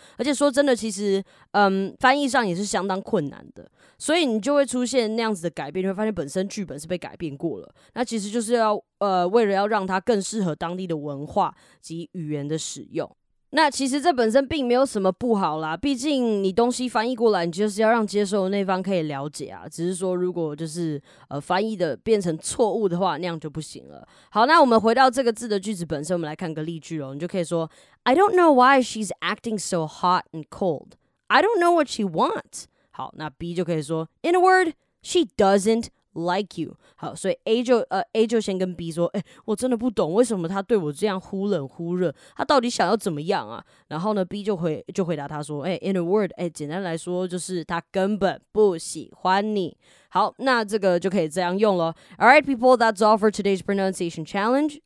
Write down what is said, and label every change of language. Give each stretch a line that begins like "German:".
Chinese: 而且说真的，其实翻译上也是相当困难的，所以你就会出现那样子的改变，你会发现本身剧本是被改变过了，那其实就是要为了要让它更适合当地的文化及语言的使用。那其实这本身并没有什么不好啦，毕竟你东西翻译过来，你就是要让接受的那方可以了解啊。只是说如果就是翻译的变成错误的话，那样就不行了。好，那我们回到这个字的句子本身，我们来看个例句哦。你就可以说
English: I don't know why she's acting so hot and cold. I don't know what she wants.
Chinese: 好，那 B 就可以说
English: In a word, she doesn't like you.
Chinese: 好，所以 A 就先跟 B 说，欸，我真的不懂为什么他对我这样忽冷忽热，他到底想要怎么样啊？然后呢 B 就回答他说，欸，
English: in a word,
Chinese: 欸，简单来说就是他根本不喜欢你。好，那这个就可以这样用了。
English: Alright people, that's all for today's pronunciation challenge.